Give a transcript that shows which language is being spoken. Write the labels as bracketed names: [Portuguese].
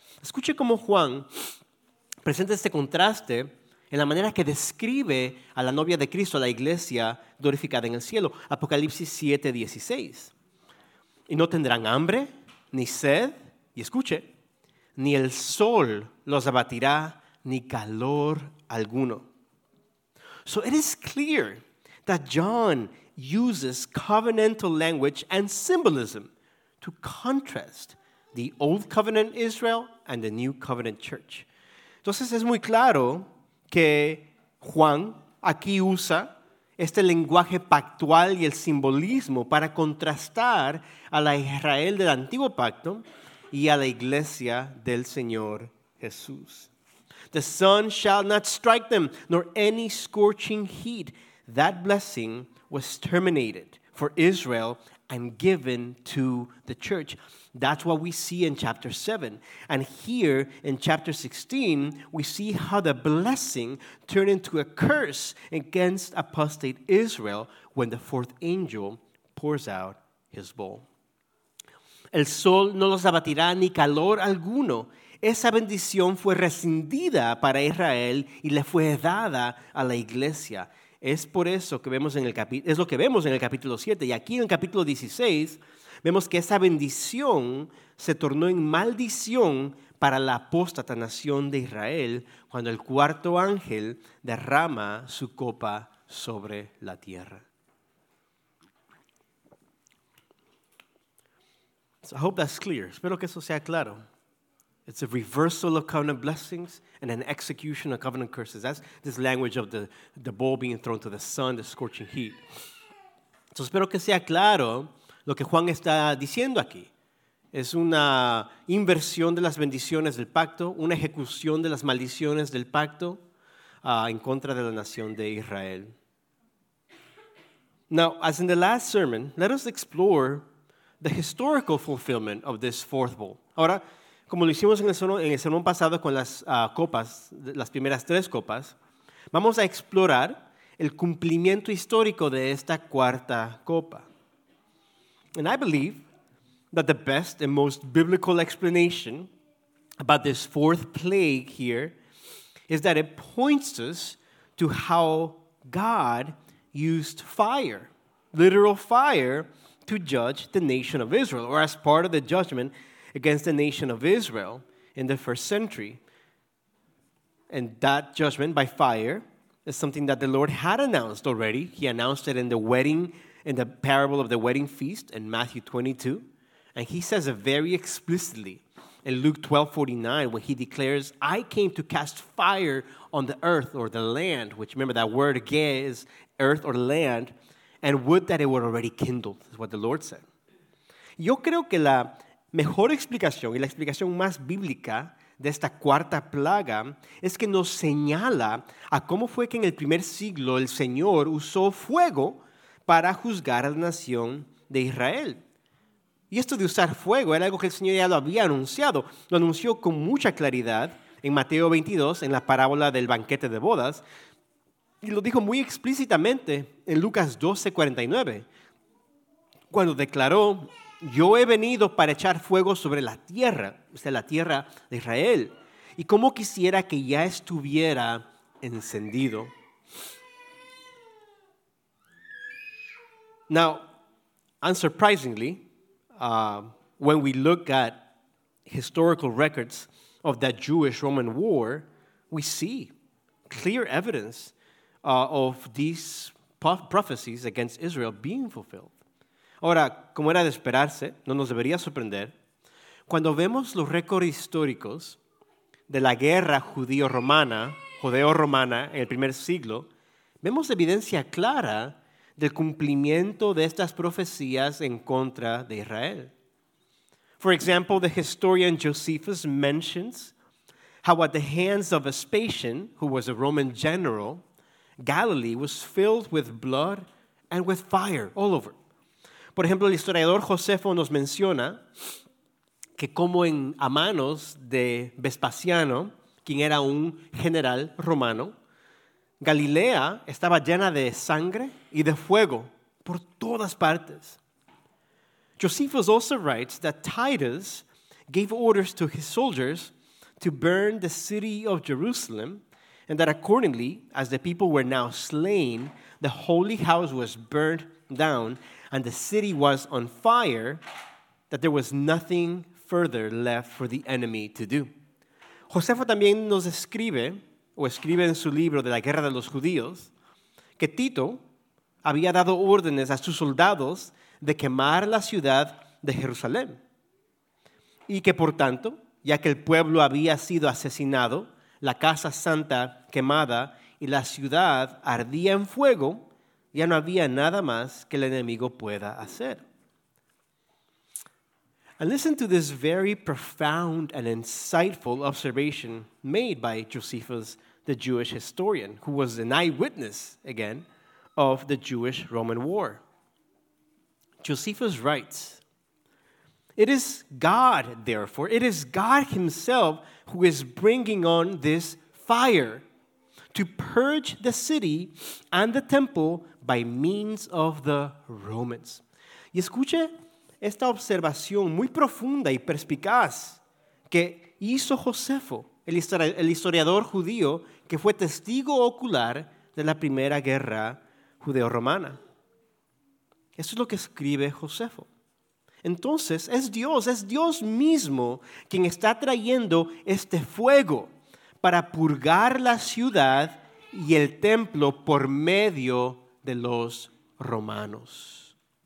[Spanish] Escuche cómo Juan presenta este contraste en la manera que describe a la novia de Cristo, a la iglesia glorificada en el cielo. Apocalipsis 7:16. Y no tendrán hambre, ni sed, y escuche, ni el sol los abatirá, ni calor alguno. [English] So it is clear that John uses covenantal language and symbolism to contrast the old covenant Israel and the new covenant church. [Spanish] Entonces es muy claro que Juan aquí usa este lenguaje pactual y el simbolismo para contrastar a la Israel del antiguo pacto y a la iglesia del Señor Jesús. [English] The sun shall not strike them, nor any scorching heat. That blessing was terminated for Israel and given to the church. That's what we see in chapter 7. And here in chapter 16, we see how the blessing turned into a curse against apostate Israel when the fourth angel pours out his bowl. [Spanish] El sol no los abatirá ni calor alguno. Esa bendición fue rescindida para Israel y le fue dada a la iglesia. Es por eso que vemos en el es lo que vemos en el capítulo 7. Y aquí en el capítulo 16, vemos que esa bendición se tornó en maldición para la apóstata nación de Israel cuando el cuarto ángel derrama su copa sobre la tierra. [English] So I hope that's clear. [Spanish] Espero que eso sea claro. [English] It's a reversal of covenant blessings and an execution of covenant curses. That's this language of the bowl being thrown to the sun, the scorching heat. [Spanish] So espero que sea claro lo que Juan está diciendo aquí. Es una inversión de las bendiciones del pacto, una ejecución de las maldiciones del pacto en contra de la nación de Israel. [English] Now, as in the last sermon, let us explore the historical fulfillment of this fourth bowl. [Spanish] Ahora, como lo hicimos en el sermón pasado con las copas, las primeras tres copas, vamos a explorar el cumplimiento histórico de esta cuarta copa. [English] And I believe that the best and most biblical explanation about this fourth plague here is that it points us to how God used fire literal fire to judge the nation of Israel, or as part of the judgment against the nation of Israel in the first century. And that judgment by fire is something that the Lord had announced already. He announced it in the wedding, in the parable of the wedding feast in Matthew 22. And he says it very explicitly in Luke 12:49, when he declares, "I came to cast fire on the earth," or the land, which, remember, that word again is earth or land, "and would that it were already kindled," is what the Lord said. [Spanish] Yo creo que la mejor explicación y la explicación más bíblica de esta cuarta plaga es que nos señala a cómo fue que en el primer siglo el Señor usó fuego para juzgar a la nación de Israel. Y esto de usar fuego era algo que el Señor ya lo había anunciado. Lo anunció con mucha claridad en Mateo 22, en la parábola del banquete de bodas. Y lo dijo muy explícitamente en Lucas 12:49, cuando declaró: "Yo he venido para echar fuego sobre la tierra, o sea, la tierra de Israel, y como quisiera que ya estuviera encendido." [English] Now, unsurprisingly, when we look at historical records of that Jewish-Roman war, we see clear evidence of these prophecies against Israel being fulfilled. [Spanish] Ahora, como era de esperarse, no nos debería sorprender, cuando vemos los récords históricos de la guerra judío-romana, judeo-romana, en el primer siglo, vemos evidencia clara del cumplimiento de estas profecías en contra de Israel. [English] For example, the historian Josephus mentions how at the hands of Vespasian, who was a Roman general, Galilee was filled with blood and with fire all over. [Spanish] Por ejemplo, el historiador Josefo nos menciona que como en a manos de Vespasiano, quien era un general romano, Galilea estaba llena de sangre y de fuego por todas partes. [English] Josephus also writes that Titus gave orders to his soldiers to burn the city of Jerusalem, and that accordingly, as the people were now slain, the holy house was burnt down, and the city was on fire, that there was nothing further left for the enemy to do. [Spanish] Josefo también nos escribe, o escribe en su libro de la Guerra de los Judíos, que Tito había dado órdenes a sus soldados de quemar la ciudad de Jerusalén. Y que por tanto, ya que el pueblo había sido asesinado, la casa santa quemada y la ciudad ardía en fuego, ya no había nada más que el enemigo pueda hacer. [English] And listen to this very profound and insightful observation made by Josephus, the Jewish historian, who was an eyewitness, again, of the Jewish-Roman War. Josephus writes, "It is God, therefore, it is God himself who is bringing on this fire to purge the city and the temple by means of the Romans." [Spanish] Y escuche esta observación muy profunda y perspicaz que hizo Josefo, el historiador judío que fue testigo ocular de la primera guerra judeo-romana. Esto es lo que escribe Josefo. Entonces, es Dios mismo quien está trayendo este fuego para purgar la ciudad y el templo por medio de los romanos.